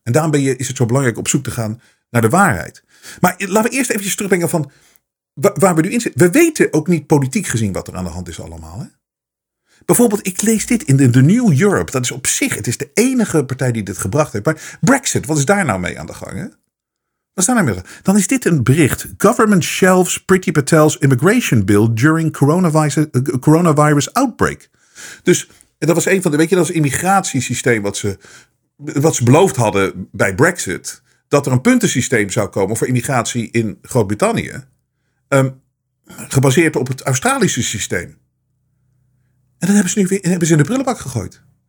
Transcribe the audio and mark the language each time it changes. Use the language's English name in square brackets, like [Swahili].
[Dutch] En daarom is het zo belangrijk op zoek te gaan naar de waarheid. Maar laten we eerst even terugbrengen van waar we nu in zitten. We weten ook niet politiek gezien wat er aan de hand is allemaal. Hè? Bijvoorbeeld, ik lees dit in de New Europe. Dat is op zich, het is de enige partij die dit gebracht heeft. Maar Brexit, wat is daar nou mee aan de gang, hè? Dan is dit een bericht. [English] Government shelves Priti Patel's immigration bill during coronavirus outbreak. [Dutch] Dus dat was een van de, weet je, dat was immigratiesysteem wat ze beloofd hadden bij Brexit. Dat er een puntensysteem zou komen voor immigratie in Groot-Brittannië. Gebaseerd op het Australische systeem. En dat hebben ze in de prullenbak gegooid.